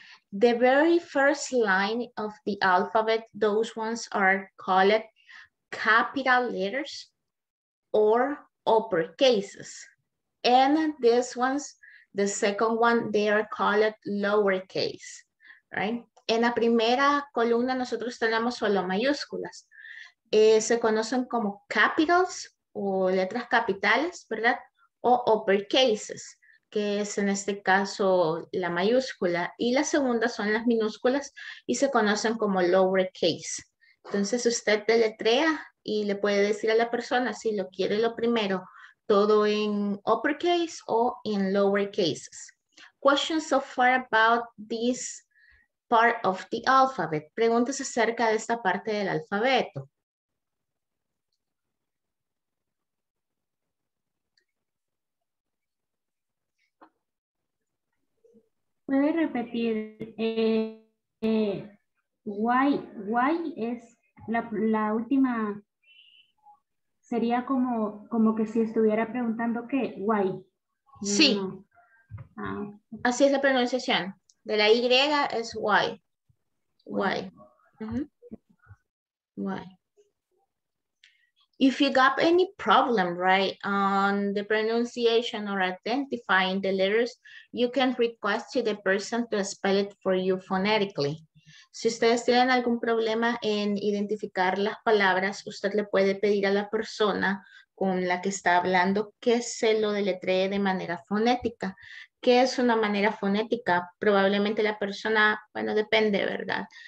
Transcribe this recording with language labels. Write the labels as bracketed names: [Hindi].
[English] The very first line of the alphabet, those ones are called capital letters or uppercase. And these ones, the second one, they are called lowercase, right? [Spanish] En la primera columna nosotros tenemos solo mayúsculas. Se conocen como capitals o letras capitales, ¿verdad? O uppercase, que es en este caso la mayúscula. Y la segunda son las minúsculas y se conocen como lowercase. Entonces usted deletrea y le puede decir a la persona si lo quiere lo primero, todo en uppercase o en lowercase. [English] Questions so far about this part of the alphabet. [Spanish] Preguntas acerca de esta parte del alfabeto. ¿Puede repetir? Y es la última. Sería como que si estuviera preguntando qué, why. Sí. Ah. Así es la pronunciación. De la Y es why. Why. [English] Why. If you got any problem, right, on the pronunciation or identifying the letters, you can request to the person to spell it for you phonetically. [Spanish] Si ustedes tienen algún problema en identificar las palabras, usted le puede pedir a la persona con la que está hablando que se lo deletree de manera fonética. ¿Qué es una manera fonética? Probablemente la persona, bueno, depende, ¿verdad?